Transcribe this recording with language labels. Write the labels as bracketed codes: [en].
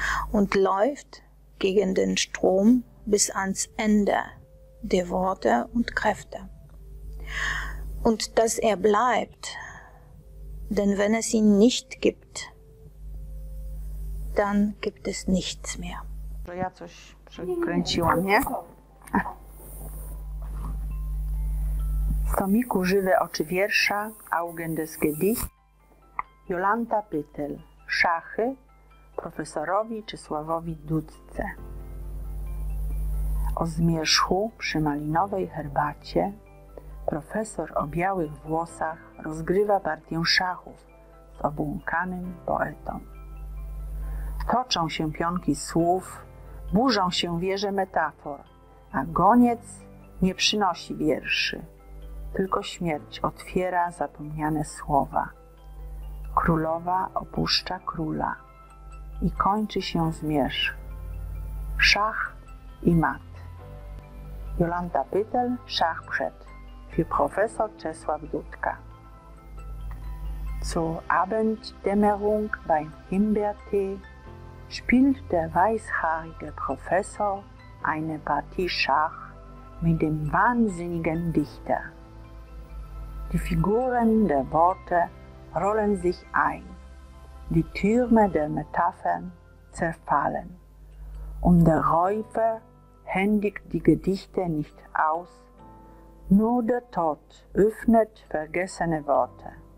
[de] Und läuft gegen den Strom bis ans Ende der Worte und Kräfte. Und dass er bleibt, denn wenn es ihn nicht gibt, dann gibt es nichts mehr. [pl] To ja coś przekręciłam, nie? W tomiku Żywe oczy wiersza, [de] Augen des Gedichts, [pl] Jolanta Pytel, Szachy, profesorowi Czesławowi Dudce. O zmierzchu przy malinowej herbacie profesor o białych włosach rozgrywa partię szachów z obłąkanym poetą. Toczą się pionki słów, burzą się wieże metafor, a goniec nie przynosi wierszy. tylko śmierć otwiera zapomniane słowa. Królowa opuszcza króla i kończy się zmierzch. Szach i mat. Jolanta Pytel, Szach przed. [de] Für Professor Czesław Dudka. Zur Abenddämmerung beim Himbeertee spielt der weißhaarige Professor eine Partie Schach mit dem wahnsinnigen Dichter. Die Figuren der Worte rollen sich ein, die Türme der Metaphern zerfallen und der Räuber händigt die Gedichte nicht aus, nur der Tod öffnet vergessene Worte.